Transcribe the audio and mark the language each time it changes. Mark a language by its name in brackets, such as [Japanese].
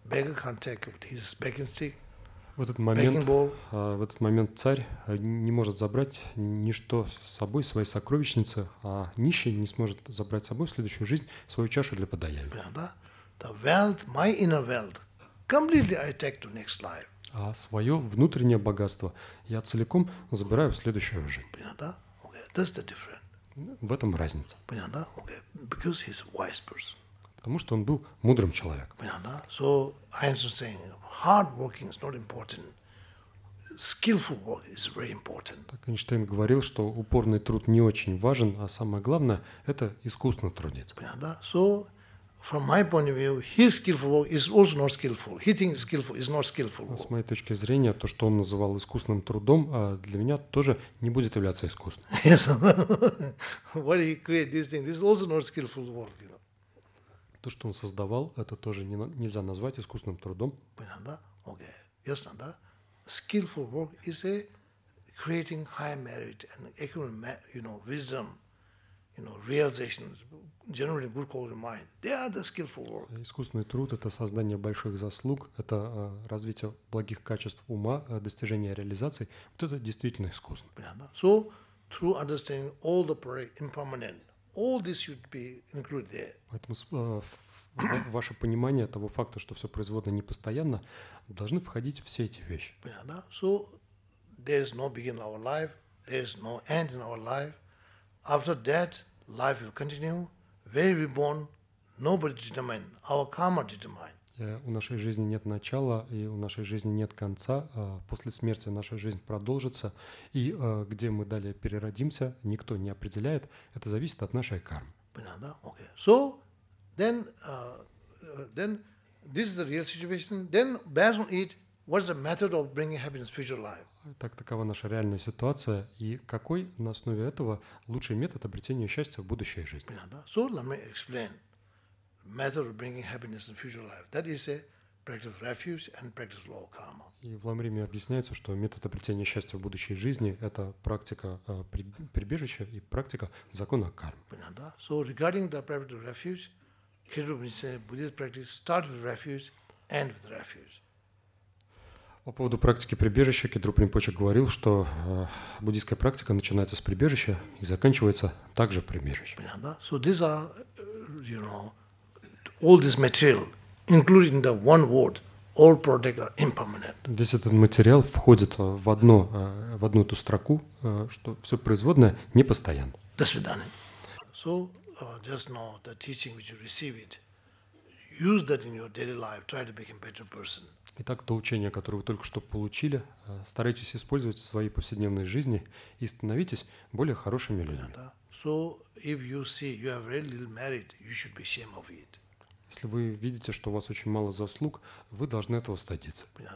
[English] Beggar can't take with his begging stick. [Russian] В этот момент царь не может забрать ничто с собой, свои сокровищницы, а нищий не сможет забрать с собой в следующую жизнь свою чашу для подаяния. Понятно? [English] The wealth, my inner wealth, completely I take to next life. [Russian] А свое внутреннее богатство я целиком забираю в следующую жизнь. Понятно, да? [English] Okay. That's the difference. [Russian] В этом разница. Понятно, да? [English] Okay. Because he's a wise person. [Russian] Потому что он был мудрым человеком. Понятно, да? [English] So Einstein saying, hard working is not important. Skillful work is very important. [Russian] Так Эйнштейн говорил, что упорный труд не очень важен, а самое главное – это искусно трудиться. Понятно, да? [English] So from my point of view, his skillful work is also not skillful. He thinks skillful is not skillful. [Russian] С моей точки зрения, то, что он называл искусным трудом, для меня тоже не будет являться искусным. [English] Yes. What he create this thing, this is also not skillful work. You know. [Russian] То, что он создавал, это тоже нельзя назвать искусным трудом. Понятно, да? Okay. [English] Yes, [Russian] да? [English] Skillful work is a creating high merit and accumulate, you know, wisdom. you know, realization, generally good quality mind. They are the skillful work. [Russian] Искусственный труд — это создание больших заслуг, это развитие благих качеств ума, достижение реализации. Вот это действительно искусно. [English] So, through understanding all the impermanent, all this should be included there. [Russian] Поэтому ваше понимание того факта, что все производно непостоянно, должны входить все эти вещи. [English] So, there is no beginning in our life, there is no end in our life. After that, life will continue. Where we born, nobody determine. Our karma determine. [Russian] У нашей жизни нет начала и у нашей жизни нет конца. После смерти наша жизнь продолжится, и где мы далее переродимся, никто не определяет. Это зависит от нашей кармы. Понятно? Okay. [English] So then, then this is the real situation. Then based on it, what's the method of bringing happiness future life? [Russian] Так такова наша реальная ситуация, и какой на основе этого лучший метод обретения счастья в будущей жизни? [English] So let me explain method of bringing happiness in future life. That is a practice refuge and practice law karma. [Russian] И в Ламриме объясняется, что метод обретения счастья в будущей жизни — это практика прибежища и практика закона кармы. [English] So regarding the practice refuge, Kirubin said Buddhist practice start with refuge, end with refuge. [Russian] По поводу практики прибежища Кедру Принпоче говорил, что буддийская практика начинается с прибежища и заканчивается также прибежищем. Понятно? [English] So these are, you know, all this material, including the one word, all product are impermanent. [Russian] Весь этот материал входит в одно, в одну эту строку, что все производное непостоянно. До свидания. [English] So just know the teaching which you received, use that in your daily life, try to become a better person. [Russian] Итак, то учение, которое вы только что получили, старайтесь использовать в своей повседневной жизни и становитесь более хорошими людьми. Если вы видите, что у вас очень мало заслуг, вы должны этого стыдиться.